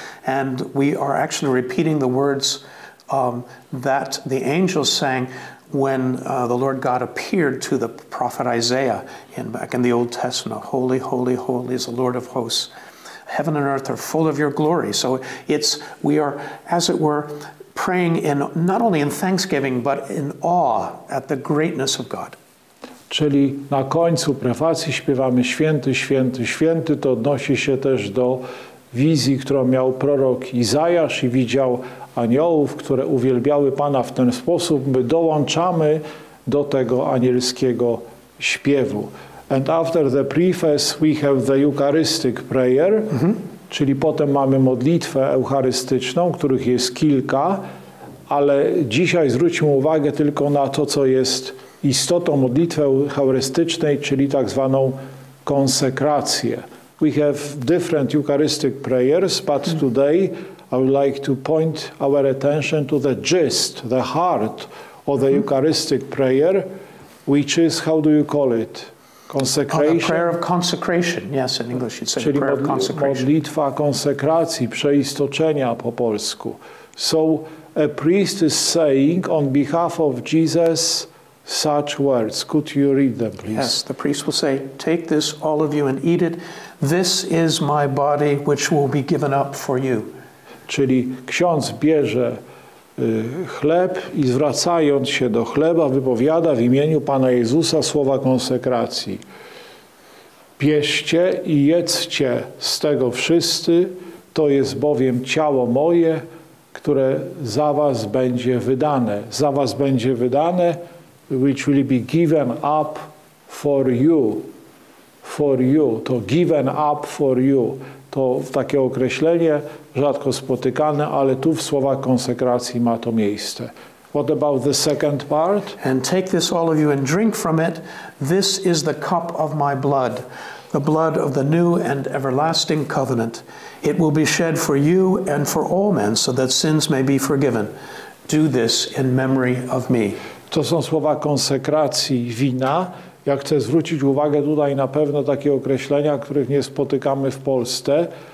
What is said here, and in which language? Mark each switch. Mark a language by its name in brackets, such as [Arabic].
[English] And we are actually repeating the words that the angels sang when the Lord God appeared to the prophet Isaiah back in the Old Testament. Holy, holy, holy is the Lord of hosts. Heaven and earth are full of your glory. So we are, as it were, praying in not only in thanksgiving, but in awe at the greatness of God. [Polish] Czyli na końcu prefacji śpiewamy święty, święty, święty. To odnosi się też do wizji, którą miał prorok Izajasz i widział aniołów, które uwielbiały Pana w ten sposób. My dołączamy do tego anielskiego śpiewu. [English] And after the preface, we have the Eucharistic prayer, [Polish] czyli potem mamy modlitwę eucharystyczną, których jest kilka, ale dzisiaj zwróćmy uwagę tylko na to, co jest istotą modlitwy eucharystycznej, czyli tak zwaną konsekrację. [English] We have different Eucharistic prayers, but today I would like to point our attention to the gist, the heart of the Eucharistic prayer, which is, how do you call it? Consecration. The prayer of consecration. Yes, in English it's a prayer of consecration. [Polish] Modlitwa konsekracji, przeistoczenia po polsku. [English] So a priest is saying on behalf of Jesus such words. Could you read them, please? Yes, the priest will say, take this, all of you, and eat it. This is my body, which will be given up for you. [Polish] Czyli ksiądz bierze chleb i zwracając się do chleba wypowiada w imieniu Pana Jezusa słowa konsekracji. Bierzcie i jedzcie z tego wszyscy, to jest bowiem ciało moje, które za was będzie wydane. Za was będzie wydane, [English] which will be given up for you. For you, to given up for you. [Polish] To takie określenie rzadko spotykane, ale tu w słowach konsekracji ma to miejsce. [English] What about the second part? And take this, all of you, and drink from it. This is the cup of my blood, the blood of the new and everlasting covenant. It will be shed for you and for all men, so that sins may be forgiven. Do this in memory of me. [Polish] To są słowa konsekracji wina. Ja chcę zwrócić uwagę tutaj na pewne takie określenia, których nie spotykamy w Polsce.